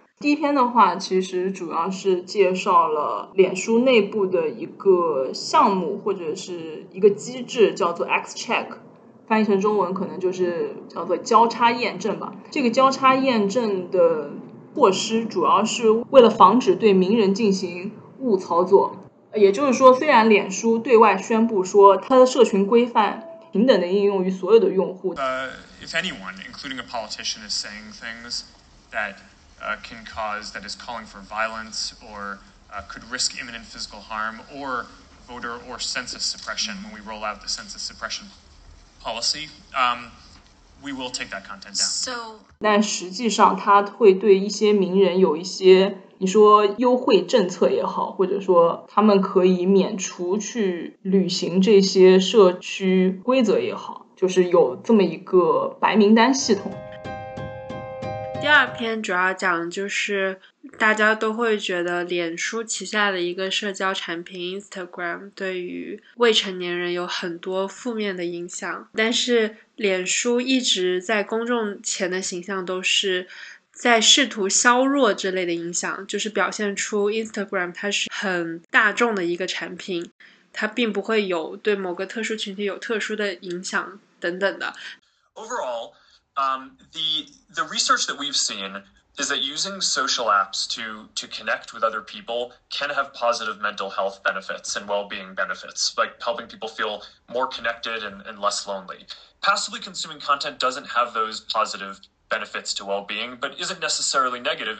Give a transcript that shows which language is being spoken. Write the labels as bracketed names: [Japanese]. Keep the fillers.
[Chinese] 第一篇的话，其实主要是介绍了脸书内部的一个项目或者是一个机制，叫做 X Check，翻译成中文可能就是叫做交叉验证吧。这个交叉验证的措施主要是为了防止对名人进行误操作。也就是说，虽然脸书对外宣布说它的社群规范平等的应用于所有的用户， [English] 呃、uh,，If anyone, including a politician, is saying things that Uh, can cause that is calling for violence or uh, could risk imminent physical harm or voter or census suppression when we roll out the census suppression policy. Um, we will take that content down. So, [Chinese] 但实际上，它会对一些名人有一些，你说优惠政策也好，或者说他们可以免除去履行这些社区规则也好，就是有这么一个白名单系统。第二篇主要讲就是大家都会觉得脸书旗下的一个社交产品 Instagram 对于未成年人有很多负面的影响，但是脸书一直在公众前的形象都是在试图削弱这类的影响，就是表现出 Instagram 它是很大众的一个产品，它并不会有对某个特殊群体有特殊的影响等等的。 [English] Overall. Um, the the research that we've seen is that using social apps to to connect with other people can have positive mental health benefits and well-being benefits, like helping people feel more connected and, and, less lonely. Passively consuming content doesn't have those positive benefits to well-being, but isn't necessarily negative.